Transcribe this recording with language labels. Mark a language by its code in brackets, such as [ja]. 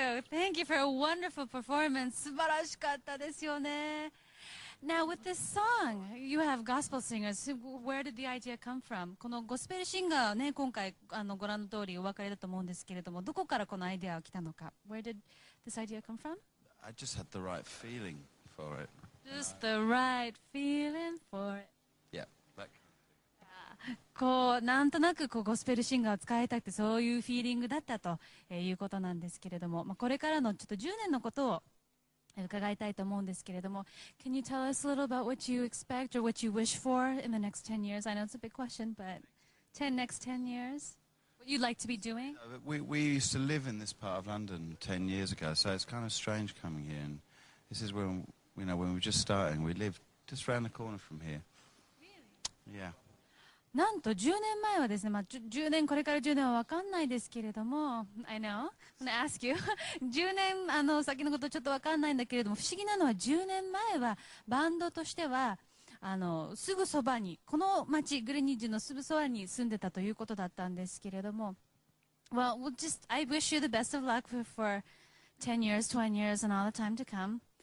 [en] Thank you for a wonderful performance. [ja] 素晴らしかったですよね。 [en] Now, with this song, you have gospel singers. Where did the idea come from? [ja] このゴスペルシンガーね、今回あのご覧の通りお別れだと思うんですけれども、どこからこのアイデアが来たのか。 [en] Where did this idea come from? I just had the right feeling for it. Just the right feeling for it. [ja] こうなんとなくこうゴスペルシンガーを使いたくてそういうフィーリングだったと、いうことなんですけれども、まあ、これからのちょっと10年のことを伺いたいと思うんですけれども [en] Can you tell us a little about what you expect or what you wish for in the next 10 years? I know it's a big question, but 10 years? What you'd like to be doing? We used to live in this part of London 10 years ago, so it's kind of strange coming here. And this is when, you know, when we were just starting, we lived just around the corner from here. Really? Yeah. [ja] なんと10年前はですね、まあ、10年、これから10年は分かんないですけれども、 [en] I know, I'm gonna ask you. [ja] 10年、あの、先のことちょっと分かんないんだけれども、不思議なのは10年前は、バンドとしては、あの、すぐそばに、この町、グリニッジのすぐそばに住んでたということだったんですけれども、 [en] Well, we'll just, I wish you the best of luck for 10 years, 20 years, and all the time to come.